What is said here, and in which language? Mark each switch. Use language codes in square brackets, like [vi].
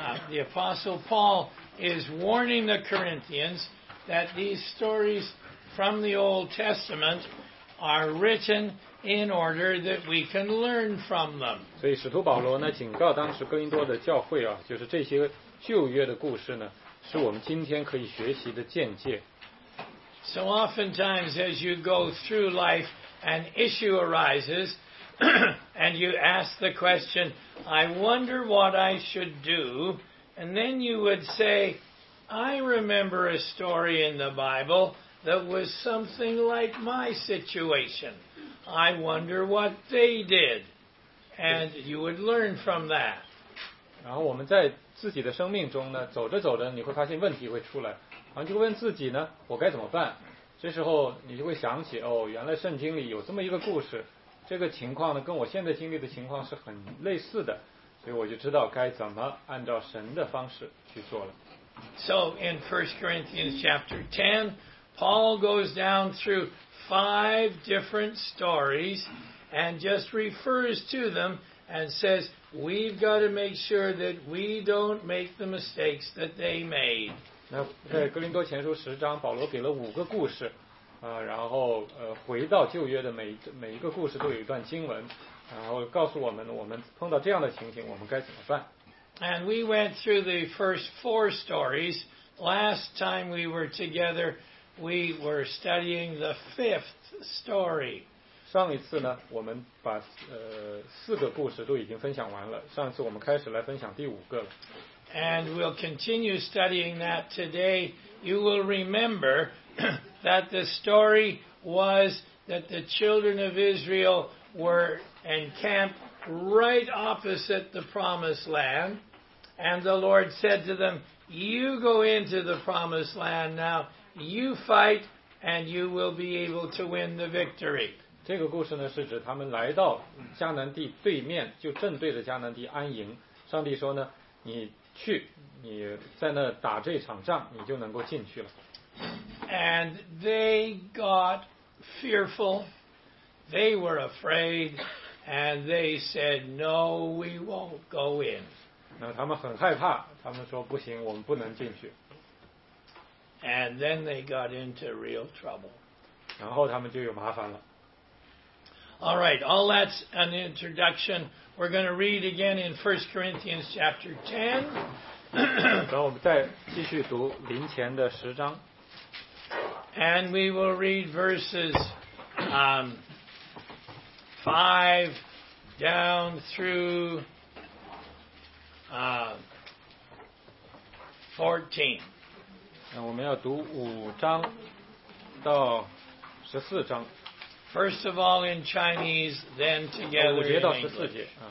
[en] The Apostle Paul is warning the Corinthians that these stories from the Old Testament are written. In order that we can learn from them. [zh] 所以使徒保罗呢警告当时哥林多的教会啊，就是这些旧约的故事呢，是我们今天可以学习的见解。 [en] So oftentimes, as you go through life, an issue arises, and you ask the question, "I wonder what I should do," and then you would say, "I remember a story in the Bible that was something like my situation." I wonder what they did, and you would learn from that. [zh] 然后我们在自己的生命中呢，走着走着，你会发现问题会出来，然后就问自己呢，我该怎么办？这时候你就会想起，哦，原来圣经里有这么一个故事，这个情况呢，跟我现在经历的情况是很类似的，所以我就知道该怎么按照神的方式去做了。 [en] So in 1 Corinthians chapter 10, Paul goes down through. Five different stories and just refers to them and says, we've got to make sure that we don't make the mistakes that they made. [zh] 那在哥林多前书十章保罗给了五个故事然后回到旧约的每一个故事都有一段经文然后告诉我们我们碰到这样的情形我们该怎么办。 [en] And we went through the first four stories last time we were together. We were studying the fifth story. [zh] 上一次呢，我们把四个故事都已经分享完了。上一次我们开始来分享第五个了。 [en] And we'll continue studying that today. You will remember that the story was that the children of Israel were encamped right opposite the promised land, and the Lord said to them, "You go into the promised land now." You fight, and you will be able to win the victory. [zh] 这个故事呢，是指他们来到迦南地对面，就正对着迦南地安营。上帝说呢，你去，你在那打这场仗，你就能够进去了。 [en] And they got fearful. They were afraid, and they said, "No, we won't go in." [zh] 那他们很害怕，他们说不行，我们不能进去。 [en] And then they got into real trouble. [zh] 然后他们就有麻烦了。 [en] All right, all that's an introduction. We're going to read again in 1 Corinthians chapter 10. [zh] 然后我们再继续读林前的十章。 [en] And we will read verses 5 down through 14. [zh] 我们要读五章到十四章。 [en] First of all in Chinese, then together in English.